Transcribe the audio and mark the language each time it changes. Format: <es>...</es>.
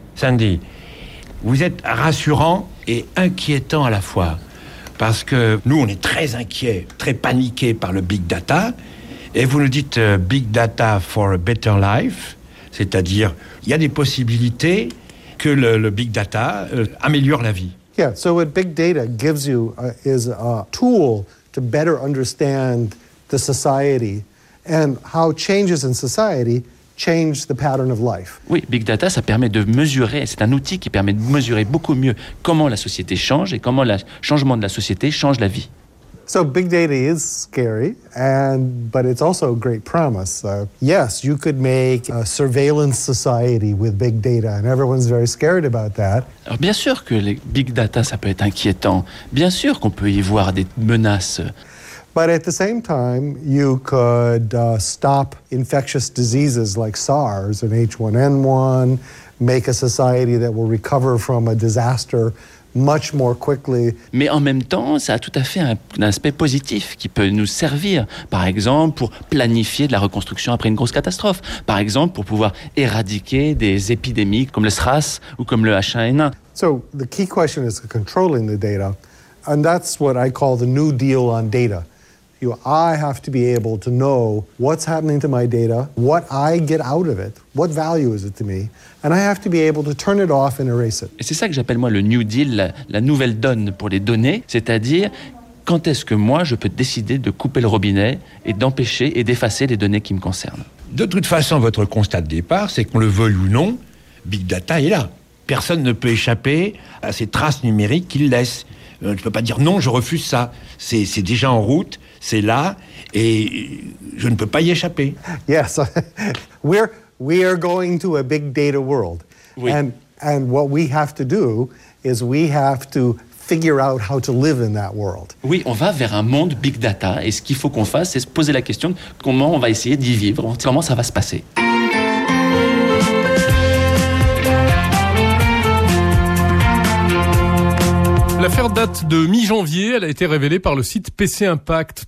<fr>Sandy, vous êtes rassurant et inquiétant à la fois, parce que nous, on est très inquiets, très paniqués par le big data, et vous nous dites «</fr> <en>big data for a better life</en> <fr>», c'est-à-dire, il y a des possibilités que le big data améliore la vie.</fr> <en>Yeah, so what big data gives you is a tool to better understand the society and how changes in society change the pattern of life.</en> <fr>Oui, Big Data, ça permet de mesurer, c'est un outil qui permet de mesurer beaucoup mieux comment la société change et comment le changement de la société change la vie.</fr> <en>So Big Data is scary, but it's also a great promise. Yes, you could make a surveillance society with Big Data, and everyone's very scared about that.</en> <fr>Alors bien sûr que les Big Data, ça peut être inquiétant. Bien sûr qu'on peut y voir des menaces.</fr> <en>But at the same time, you could stop infectious diseases like SARS and H1N1, make a society that will recover from a disaster much more quickly.</en> <fr>Mais en même temps, ça a tout à fait un aspect positif qui peut nous servir, par exemple, pour planifier de la reconstruction après une grosse catastrophe, par exemple, pour pouvoir éradiquer des épidémies comme le SRAS ou comme le H1N1.</fr> <en>So the key question is controlling the data, and that's what I call the New Deal on data. You know, I have to be able to know what's happening to my data, what I get out of it, what value is it to me, and I have to be able to turn it off and erase it.</en> <fr>Et c'est ça que j'appelle moi le New Deal, la nouvelle donne pour les données, c'est-à-dire quand est-ce que moi je peux décider de couper le robinet et d'empêcher et d'effacer les données qui me concernent. De toute façon, votre constat de départ, c'est qu'on le veuille ou non, Big Data est là. Personne ne peut échapper à ces traces numériques qu'il laisse. Je ne peux pas dire non, je refuse ça. C'est déjà en route, c'est là, et je ne peux pas y échapper.</fr> <en>Yes, we are going to a big data world,</en> <fr>oui.</fr> <en>And what we have to do is we have to figure out how to live in that world.</en> <fr>Oui, on va vers un monde big data, et ce qu'il faut qu'on fasse, c'est se poser la question de comment on va essayer d'y vivre, comment ça va se passer. L'affaire date de mi-janvier, elle a été révélée par le site PC Impact.</fr>